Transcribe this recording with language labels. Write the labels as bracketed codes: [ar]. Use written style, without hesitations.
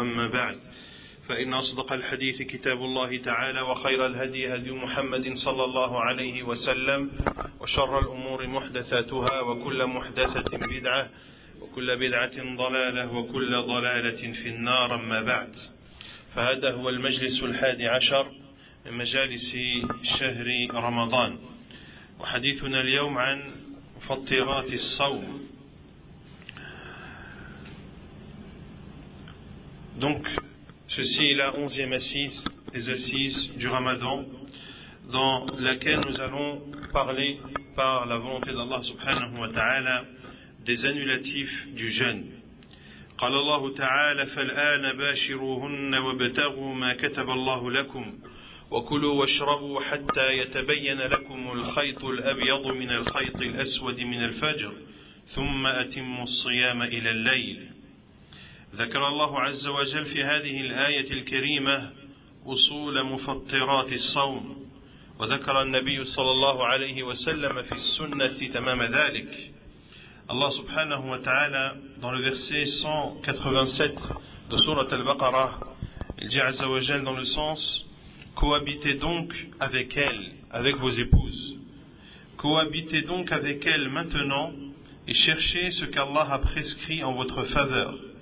[ar] أما بعد، فإن أصدق الحديث كتاب الله تعالى، وخير الهدي هدي محمد صلى الله عليه وسلم، وشر الأمور محدثاتها، وكل محدثة بدعة، وكل بدعة ضلالة، وكل ضلالة في النار. أما بعد، فهذا هو المجلس الحادي عشر من مجالس شهر رمضان، وحديثنا اليوم عن مفطرات الصوم. [fr] دونك ceci est la 11e assise, les assises du Ramadan, dans laquelle nous allons parler, par la volonté d'Allah subhanahu wa ta'ala, des annulatifs du jeûne. [ar] قال الله تعالى فالآن باشروهن وابتغوا ما كتب الله لكم وكلوا واشربوا حتى يتبين لكم الخيط الأبيض من الخيط الأسود من الفجر ثم أتموا الصيام إلى الليل. ذكر الله عز وجل في هذه الآية الكريمة أصول مفطرات الصوم، وذكر النبي صلى الله عليه وسلم في السنة تمام ذلك. الله سبحانه وتعالى [fr] dans le verset 187 de sourate Al-Baqarah, il dit [ar] عز وجل [fr] dans le sens cohabitez donc avec elle, avec vos épouses. Cohabitez donc avec elle maintenant et cherchez ce qu'Allah a prescrit en votre faveur.